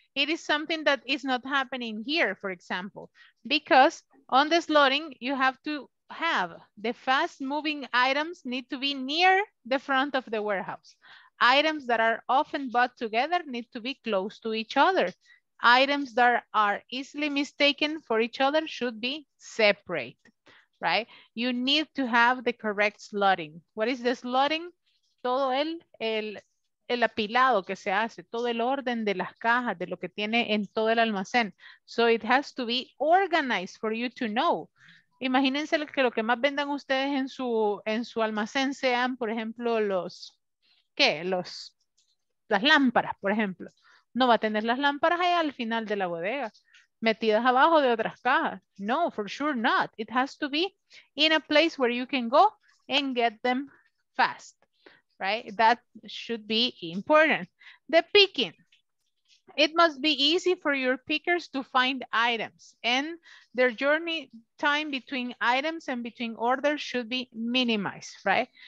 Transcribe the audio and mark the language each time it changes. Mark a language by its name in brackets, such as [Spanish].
[English] It is something that is not happening here, for example, because on the slotting, you have to have the fast moving items need to be near the front of the warehouse. Items that are often bought together need to be close to each other. Items that are easily mistaken for each other should be separate, right? You need to have the correct slotting. What is the slotting? [Spanish] Todo el apilado que se hace, todo el orden de las cajas, de lo que tiene en todo el almacén. So it has to be organized for you to know. Imagínense que lo que más vendan ustedes en su almacén sean, por ejemplo, las lámparas, por ejemplo. No va a tener las lámparas ahí al final de la bodega, metidas abajo de otras cajas. [English] No, for sure not. It has to be in a place where you can go and get them fast. Right? That should be important. The picking. It must be easy for your pickers to find items, and their journey time between items and between orders should be minimized, right?